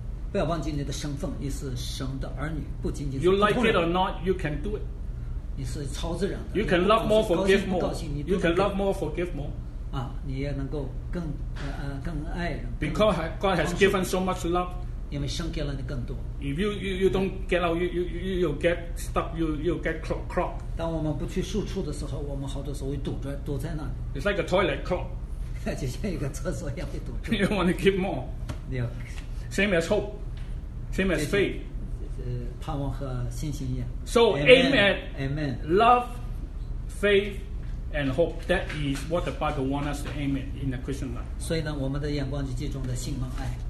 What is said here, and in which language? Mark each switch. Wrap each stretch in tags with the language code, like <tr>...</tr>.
<zh>不要忘记你的身份，你是神的儿女，不仅仅是。</zh> <en>You like it or not, you can do it.</en> <zh>你是超自然的。</zh> <en>You can love more, forgive more.</en> <zh>高兴不高兴，你。</zh> <en>You can love more, forgive more.</en> <zh>啊，你也能够更爱人。</zh> <en>Because God has given so much love.</en> <zh>因为神给了你更多。</zh> <en>If you don't get out, you get stuck, you get clogged.</en> <zh>当我们不去输出的时候，我们好多时候会堵在那里。</zh> <en>It's like a toilet clog.</en> <zh>就像一个厕所一样被堵住。</zh> <en>You want to keep more. Same as hope. Same as faith.</en> <zh>盼望和信心一样。</zh> <en>So amen, amen. Love, faith, and hope. That is what the Bible wants us to aim at in the Christian life.</en> <zh>所以呢，我们的眼光就集中在信望爱。</zh>